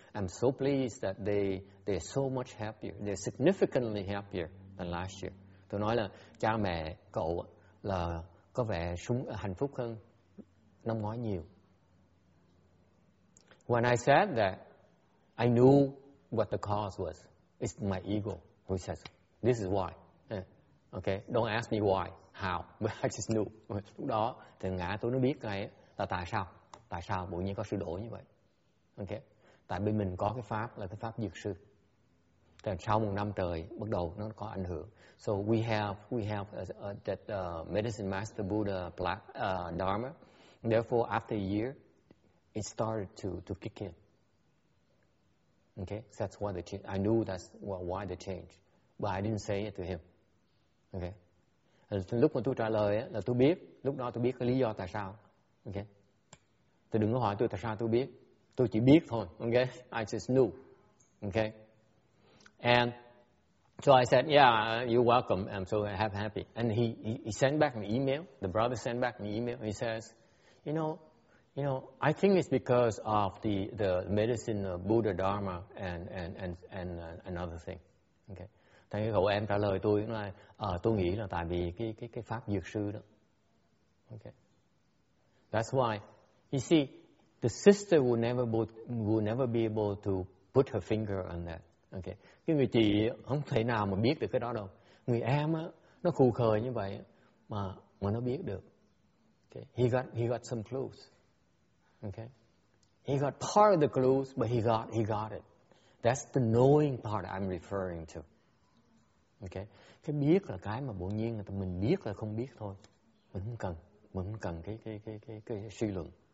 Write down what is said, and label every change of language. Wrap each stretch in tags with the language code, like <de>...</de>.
<en>I'm so pleased that they're so much happier. They're significantly happier than last year.</en> <vi>Tôi nói là cha mẹ cậu là có vẻ hạnh phúc hơn năm ngoái nhiều.</vi> <en>When I said that, I knew what the cause was. It's my ego who says, this is why. Okay, don't ask me why, how, but I just knew.</en> <vi>Lúc đó, thì ngã tôi nó biết ngay là tại sao bỗng nhiên có sự đổi như vậy. Okay, tại bên mình có cái pháp là cái pháp dược sư. Thì sau một năm trời, bắt đầu nó có ảnh hưởng.</vi> <en>So we have that medicine master Buddha Dharma. Therefore, after a year, it started to kick in. Okay, so that's why the change. I knew that's why the change, but I didn't say it to him.</en> <vi>Okay, lúc mà tôi trả lời là tôi biết, lúc đó tôi biết cái lý do tại sao. Okay, tôi đừng có hỏi tôi tại sao tôi biết, tôi chỉ biết thôi.</vi> <en>Okay, I just knew. Okay, and so I said, yeah, you're welcome. I'm so happy. And he sent back an email. The brother sent back an email. He says, You know, I think it's because of the medicine, Buddha Dharma, and another thing. Okay.</en> <vi>Thế cái cậu em trả lời tôi là, tôi nghĩ là tại vì cái pháp dược sư đó.</vi> <en>Okay. That's why, you see, the sister will never be able to put her finger on that. Okay.</en> <vi>Cái người chị không thể nào mà biết được cái đó đâu. Người em á, nó khù khờ như vậy mà nó biết được.</vi> <en>Okay. He got some clues. Okay, he got part of the clues, but he got it. That's the knowing part I'm referring to.</en> <vi>Okay, cái biết là cái mà bổn nhiên là mình biết là không biết thôi. Mình không cần cái suy luận.</vi>